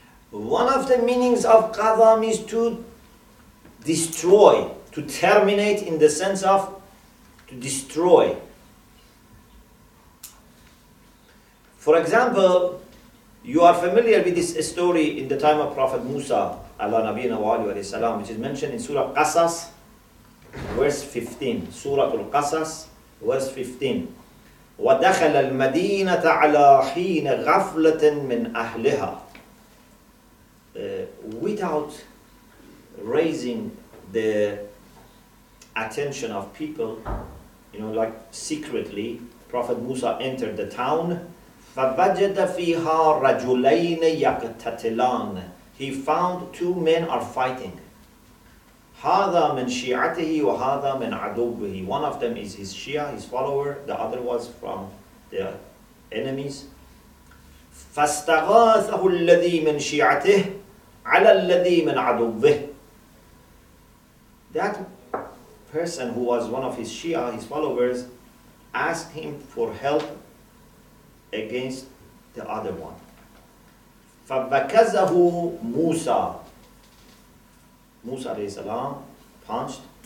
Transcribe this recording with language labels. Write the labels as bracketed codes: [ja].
[en] One of the meanings of qadha is to destroy, to terminate in the sense of to destroy. For example, you are familiar with this story in the time of Prophet Musa, Allah Nabiyyina wa Alihi wa Sallam, which is mentioned in Surah Qasas, verse 15. Surah Al-Qasas, verse 15. [ar] ودخل المدينة على حين غفلة من أهلها. [en] Without raising the attention of people, like secretly, Prophet Musa entered the town. [ar] فوجد فيها رجلين يقتتلان. [en] He found two men are fighting. [ar] هذا من شيعته وهذا من عدوه. [en] One of them is his Shia, his follower. The other was from their enemies. [ar] فاستغاثه الذي من شيعته على الذي من عدوه. [en] That person who was one of his Shia, his followers, asked him for help against the other one. [ar] فبكزه موسى. [en] Musa alayhi salam punched.